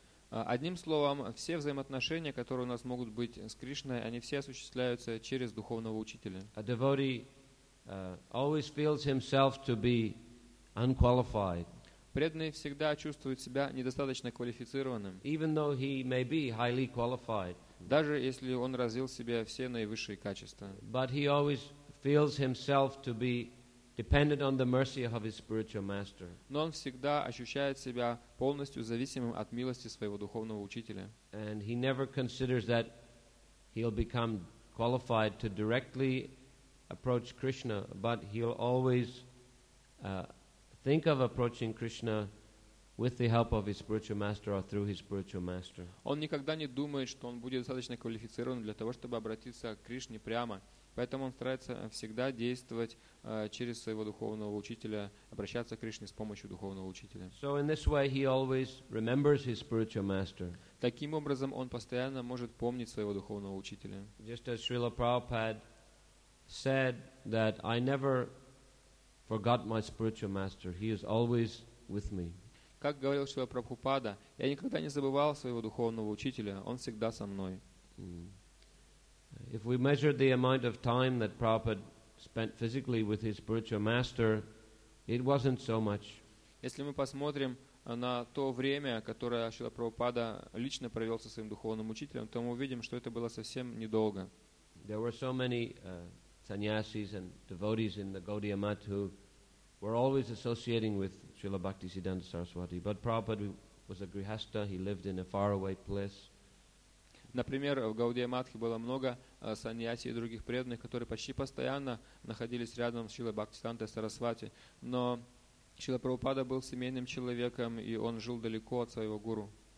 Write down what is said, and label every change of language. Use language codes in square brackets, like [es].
[ru] Одним словом, все взаимоотношения, которые у нас могут быть с Кришной, они все осуществляются через духовного учителя. [en] A devotee always feels himself to be unqualified. [ru] Преданный всегда чувствует себя недостаточно квалифицированным. [en] Even though he may be highly qualified. [ru] Даже если он развил в себе все наивысшие качества. [en] But he always feels himself to be dependent on the mercy of his spiritual master. [ru] Но он всегда ощущает себя полностью зависимым от милости своего духовного учителя. [en] And he never considers that he'll become qualified to directly approach Krishna, but he'll always think of approaching Krishna with the help of his spiritual master or through his spiritual master. [ru] Он никогда не думает, что он будет достаточно квалифицирован для того, чтобы обратиться к Кришне прямо. Поэтому он старается всегда действовать через своего духовного учителя, обращаться к Кришне с помощью духовного учителя. [en] So in this way he always remembers his spiritual master. [ru] Таким образом он постоянно может помнить своего духовного учителя. [en] Just as Srila Prabhupada said that I never forgot my spiritual master. He is always with me. [ru] Как говорил Шрила Прабхупада, я никогда не забывал своего духовного учителя, он всегда со мной. [en] If we measure the amount of time that Prabhupada spent physically with his spiritual master, it wasn't so much. [ru] Если мы посмотрим на то время, которое Шрила Прабхупада лично провел со своим духовным учителем, то мы увидим, что это было совсем недолго. [en] There were so many sannyasis and devotees in the Gaudiya Math who were always associating with Srila Bhaktisiddhanta Saraswati. But Prabhupada was a grihastha, he lived in a faraway place. [ru] Например, в Гаудия Матхе было много саньяси и других преданных, которые почти постоянно находились рядом с Шрила Бхактисиддханта Сарасвати. Но Шрила Прабхупада был семейным человеком, и он жил далеко от своего гуру.